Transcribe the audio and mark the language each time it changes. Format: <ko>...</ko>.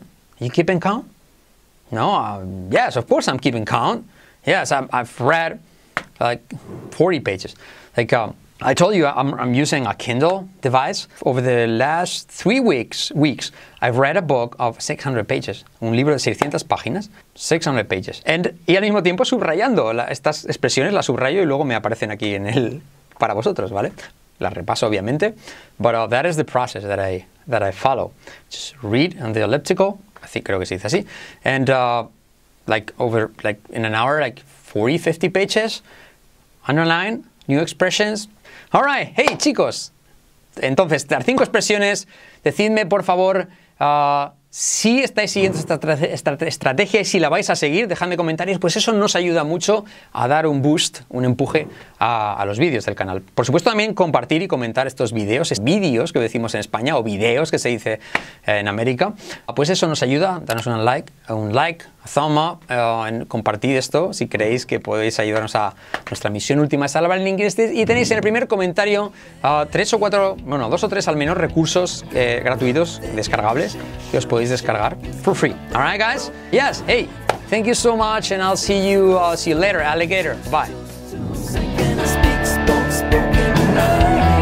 <en>Are you keeping count? No, yes, of course I'm keeping count. Yes, I've read like 40 pages. Like, I told you I'm using a Kindle device. Over the last 3 weeks, I've read a book of 600 pages.</en> <es>Un libro de 600 páginas.</es> <en>600 pages. And,</en> <es>y al mismo tiempo subrayando. Estas expresiones las subrayo y luego me aparecen aquí en el para vosotros, ¿vale? Las repaso, obviamente.</es> <en>But that is the process that I follow. Just read on the elliptical. I think,</en> <es>creo que se dice así.</es> <en>And in an hour, like 40, 50 pages. Underline, new expressions. All right,</en> <es>hey chicos, entonces, dar 5 expresiones, decidme por favor si estáis siguiendo esta estrategia y si la vais a seguir, dejadme comentarios, pues eso nos ayuda mucho a dar un boost, un empuje a los vídeos del canal. Por supuesto, también compartir y comentar estos vídeos, vídeos que decimos en España o vídeos que se dice en América. Pues eso nos ayuda, danos un like,</es> <en>a thumb up,</en> <es>compartid esto si creéis que podéis ayudarnos a nuestra misión última es salvar el inglés. Y tenéis en el primer comentario dos o tres al menos recursos gratuitos, descargables, que os podéis descargar</es> <en>for free. All right, guys? Yes, hey, thank you so much and I'll see you later, alligator. Bye. Speak, spoke, spoken, no.</en>